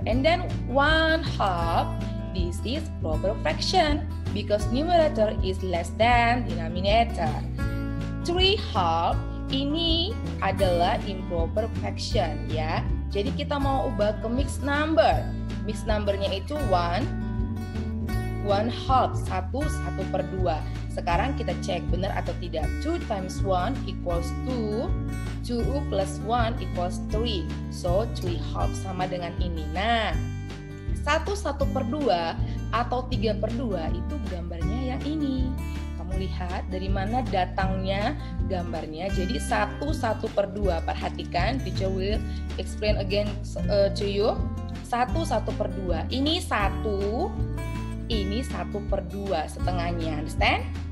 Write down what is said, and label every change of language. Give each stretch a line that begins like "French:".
English: And then 1/2, this is proper fraction because numerator is less than denominator.
Indonesian: 3/2, ini adalah improper fraction ya. Jadi kita mau ubah ke mixed number. Mixed numbernya itu 1/2, 1/2. Sekarang kita cek benar atau tidak.
English: 2 times 1 equals 2. 2 plus 1 equals 3. So 3/2
Indonesian: sama dengan ini. Nah, 1/2 atau 3/2 itu gambarnya yang ini. Kamu lihat dari mana datangnya gambarnya. Jadi 1/2, perhatikan,
English: teacher will explain again to you.
Indonesian: 1/2, ini 1, ini 1/2 setengahnya, understand?